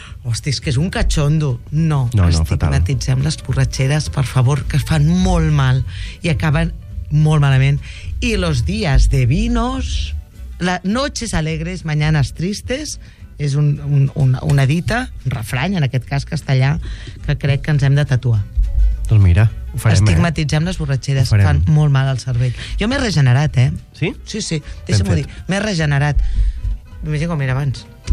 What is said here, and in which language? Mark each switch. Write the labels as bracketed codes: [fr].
[ca] Hosti, és que és un catxondo. No, estigmatitzem fatal. Les borratxeres, per favor, que fan molt mal i acaben molt malament. [es] I los días de vinos, las noches alegres, mañanas tristes... [ca] És una dita, un refrany, en aquest cas castellà, que crec que ens hem de tatuar. Doncs mira, ho farem. Estigmatitzem les borratxeres, fan molt mal al cervell. Jo m'he regenerat, eh? Sí? Sí. Deixa'm-ho dir. M'he regenerat. Imagina com era abans.